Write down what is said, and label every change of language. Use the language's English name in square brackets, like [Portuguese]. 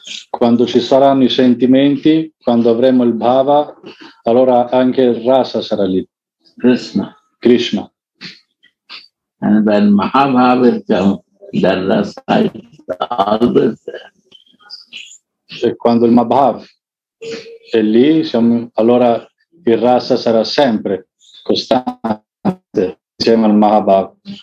[Italian] Quando ci saranno i sentimenti, quando avremo il bhava, allora anche il rasa sarà lì. Krishna. Krishna. [English] And when Mahabhava comes, the rasa is always there. [Italian] E quando il Mahabhava è lì, allora il rasa sarà sempre costante insieme al Mahabhava.